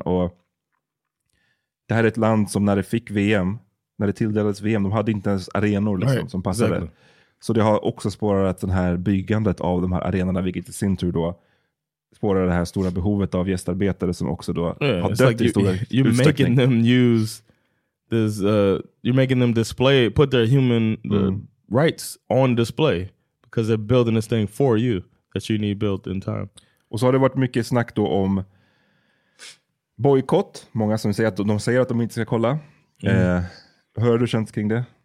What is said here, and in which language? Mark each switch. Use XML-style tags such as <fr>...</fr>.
<sv>Och det här är ett land som när det fick VM, när det tilldelades VM, de hade inte ens arenor liksom, som passade.</sv> <en>Exactly.</en> <sv>Så det har också spårat den här byggandet av de här arenorna, vilket i sin tur då spårar det här stora behovet av gästarbetare som också då har dött</sv> <en>like</en> <sv>i stora utsträckning.</sv> <en>You're making them use... There's you're making them display, put their human rights on display because they're building this thing for you that you need built in time.</en> <sv>Och så har det varit mycket snack då om boykott. Många som säger att de säger att de inte ska kolla. Hur har du känt kring det?</sv>